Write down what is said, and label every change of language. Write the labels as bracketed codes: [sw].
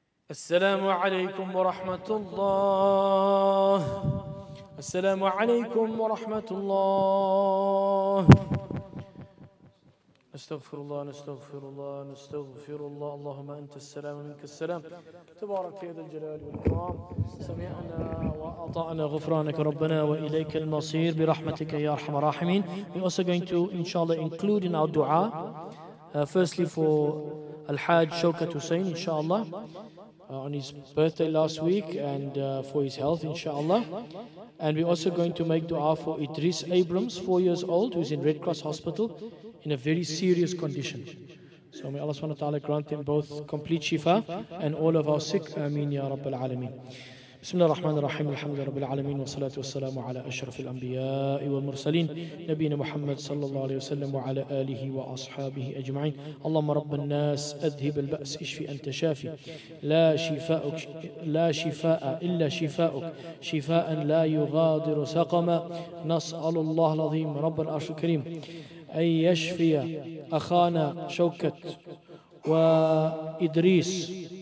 [ar] السلام عليكم ورحمة الله السلام عليكم ورحمة الله نستغفر الله نستغفر الله نستغفر الله اللهم أنت السلام منك السلام تبارك يا ذا الجلال والإكرام سمعنا وأطعنا غفرانك ربنا وإليك المصير برحمتك يا أرحم الراحمين. [en] We also going to inshallah include in our dua firstly for Al-Hajj Shawkat Hussein inshallah on his birthday last week, and for his health, inshallah. And we're also going to make dua for Idris Abrams, 4 years old, who's in Red Cross Hospital in a very serious condition. So may Allah subhanahu wa ta'ala grant him both complete shifa and all of our sick. [ar] Ameen, ya Rabbil Alameen. بسم الله الرحمن الرحيم الحمد لله رب العالمين والصلاة والسلام على أشرف الأنبياء والمرسلين نبينا محمد صلى الله عليه وسلم وعلى آله وأصحابه أجمعين اللهم رب الناس أذهب البأس اشفي أنت شافي لا شفاء إلا شفاءك شفاء لا يغادر سقما نسأل الله العظيم رب العرش الكريم أن يشفي أخانا شوكة وإدريس